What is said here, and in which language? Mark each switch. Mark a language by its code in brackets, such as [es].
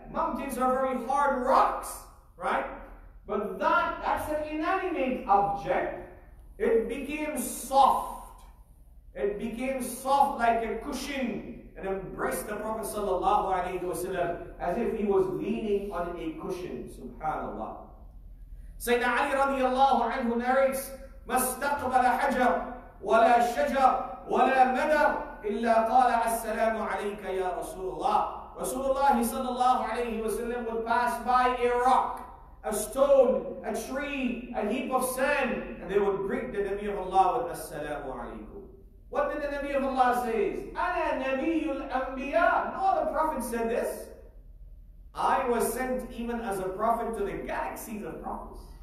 [en] Mountains are very hard rocks, right? But that's an inanimate object. It became soft. It became soft like a cushion and embraced the Prophet sallallahu alayhi wa sallam as if he was leaning on a cushion, subhanAllah. Sayyidina Ali radiallahu anhu narrates, [ar] ما استقبل حجر ولا شجر ولا مدر إلا قال السلام عليك يا رسول الله. رسول الله صلى الله عليه وسلم [en] would pass by a rock, a stone, a tree, a heap of sand, and they would greet the Nabi of Allah with السلام عليكم. What did the Nabi of Allah say? [ar] أنا نبي الأنبياء. [en] No other prophet said this. I was sent even as a prophet to the galaxies of prophets.